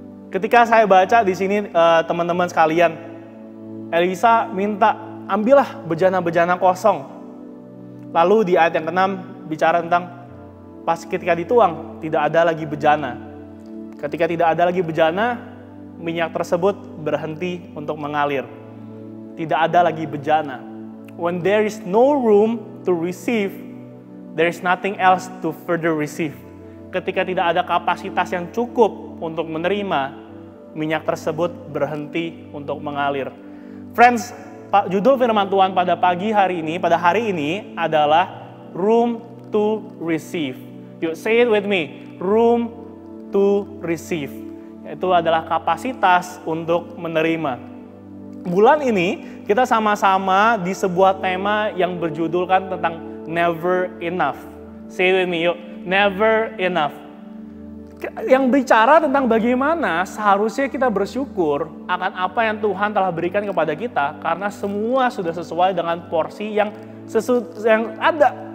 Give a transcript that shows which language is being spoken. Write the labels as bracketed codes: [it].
[id] Ketika saya baca di sini, teman-teman sekalian, Elisa minta, ambillah bejana-bejana kosong. Lalu di ayat yang ke-6, bicara tentang, pas ketika dituang, tidak ada lagi bejana. Ketika tidak ada lagi bejana, minyak tersebut berhenti untuk mengalir. Tidak ada lagi bejana. [en] When there is no room to receive, there is nothing else to further receive. [id] Ketika tidak ada kapasitas yang cukup untuk menerima, minyak tersebut berhenti untuk mengalir. Friends, judul firman Tuhan pada pagi hari ini, pada hari ini adalah [en] room to receive. You say it with me, room to receive. [id] Itu adalah kapasitas untuk menerima. Bulan ini kita sama-sama di sebuah tema yang berjudulkan tentang [en] never enough. Say it with me, [id] yuk. [en] Never enough. [id] Yang bicara tentang bagaimana seharusnya kita bersyukur akan apa yang Tuhan telah berikan kepada kita, karena semua sudah sesuai dengan porsi yang ada.